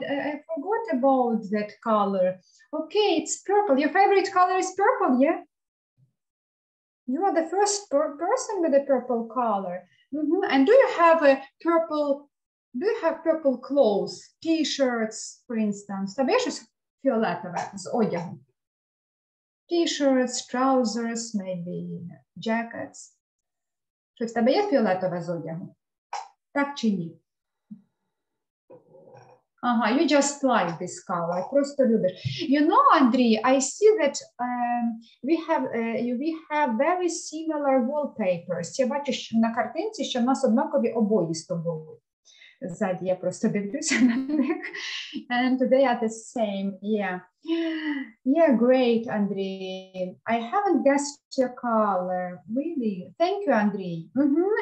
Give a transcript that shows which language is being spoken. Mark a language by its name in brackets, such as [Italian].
[English] I forgot about that color. Okay, it's purple. Your favorite color is purple, yeah? You are the first person with a purple color. Mm-hmm. And do you have a purple, do you have purple clothes, t-shirts, for instance? [Ukrainian] Тобі щось фіолетове з одягом? [English] T-shirts, trousers, maybe jackets. [Ukrainian] Щось тебе є фіолетове з одягом? Так чи ні? [English] Ага, you just like this color. [Ukrainian] Просто любиш. [English] You know, Андрій, I see that we have very similar wallpapers. [Ukrainian] Я бачу, що на картинці, що в нас однакові обої з тобою. Ззаді я просто дивлюся на них. [English] And they are the same, yeah. Yeah, great, Андрій. I haven't guessed your color, really. Thank you, Андрій. Mm-hmm.